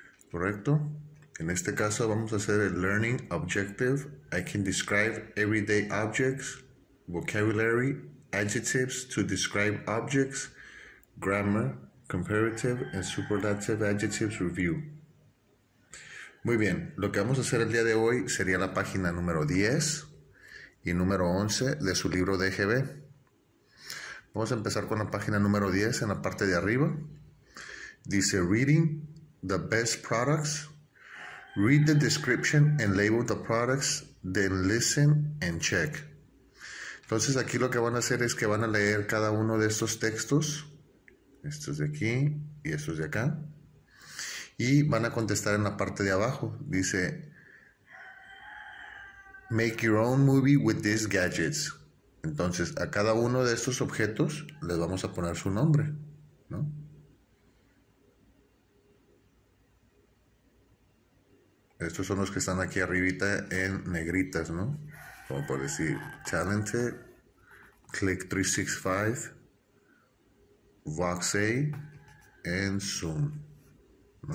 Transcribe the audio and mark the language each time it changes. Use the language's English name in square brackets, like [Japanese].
[Spanish] ¿Correcto? En este caso vamos a hacer el Learning Objective. [English] I can describe everyday objects, vocabulary, adjectives to describe objects, grammar, comparative and superlative adjectives review. [Spanish] Muy bien, lo que vamos a hacer el día de hoy sería la página número 10 y número 11 de su libro DGB. Vamos a empezar con la página número 10 en la parte de arriba. [English] Dice Reading the best products. Read the description and label the products, then listen and check. [Spanish] Entonces aquí lo que van a hacer es que van a leer cada uno de estos textos. Estos de aquí y estos de acá. Y van a contestar en la parte de abajo. [English] Dice, Make your own movie with these gadgets. [Spanish] Entonces, a cada uno de estos objetos les vamos a poner su nombre, ¿no? Estos son los que están aquí arribita en negritas, ¿no? Como por decir, Talented, Click365, Voxay, and Zoom. ¿No?